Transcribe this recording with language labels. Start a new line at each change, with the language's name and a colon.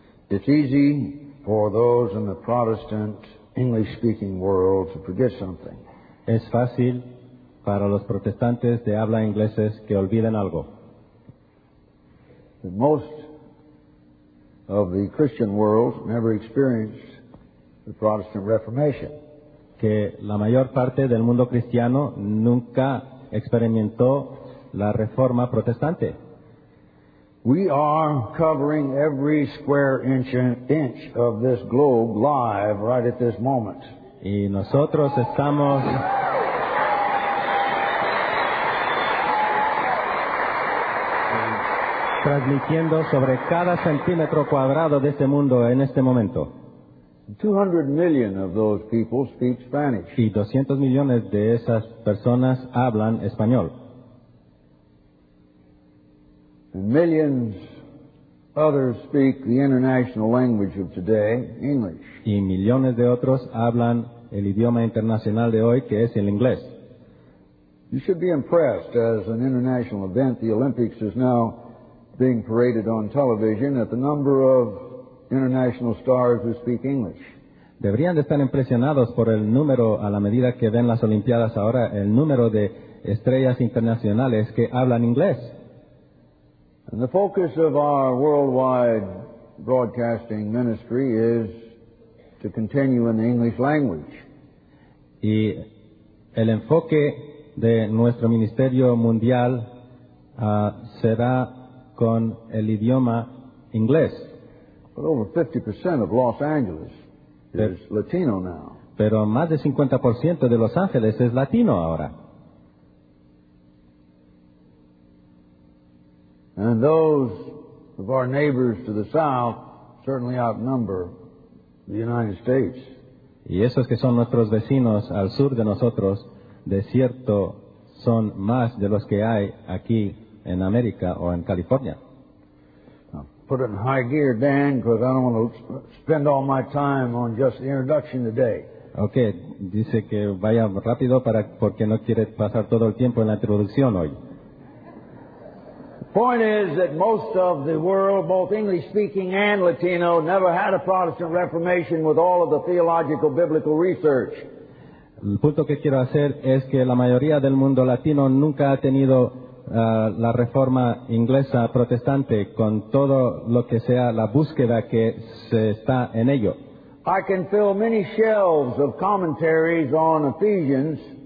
English: it's easy for those in the Protestant English-speaking world to forget something.
Spanish: Es fácil para los protestantes de habla ingleses que olviden algo.
English: And most of the Christian world never experienced the Protestant Reformation.
Spanish: Que la mayor parte del mundo cristiano nunca experimentó la reforma protestante.
English: We are covering every square inch of this globe live right at this moment.
Spanish: Y nosotros estamos transmitiendo sobre cada centímetro cuadrado de este mundo en este momento.
English: 200 million of those people speak Spanish.
Spanish: Y 200 millones de esas personas hablan español.
English: And millions others speak the international language of today, English.
Spanish: Y millones de otros hablan el idioma internacional de hoy, que es el inglés.
English: You should be impressed as an international event, the Olympics is now being paraded on television, at the number of international stars who speak English.
Spanish: Deberían de estar impresionados por el número, a la medida que ven las Olimpiadas ahora, el número de estrellas internacionales que hablan inglés.
English: And the focus of our worldwide broadcasting ministry is to continue in the English language.
Spanish: Y el enfoque de nuestro ministerio mundial será con el idioma inglés.
English: But over 50% of Los Angeles is Latino now.
Spanish: Pero más de 50% de Los Ángeles es latino ahora.
English: And those of our neighbors to the south certainly outnumber the United States.
Spanish: Y esos que son nuestros vecinos al sur de nosotros, de cierto, son más de los que hay aquí en América o en California.
English: Put it in high gear, Dan, because I don't want to spend all my time on just the introduction today.
Spanish: Okay, dice que vaya rápido para porque no quiere pasar todo el tiempo en la introducción hoy.
English: The point is that most of the world, both English-speaking and Latino, never had a Protestant Reformation with all of the theological biblical research.
Spanish: El punto que quiero hacer es que la mayoría del mundo latino nunca ha tenido la reforma inglesa protestante con todo lo que sea la búsqueda que se está en ello.
English: I can fill many shelves of commentaries on Ephesians.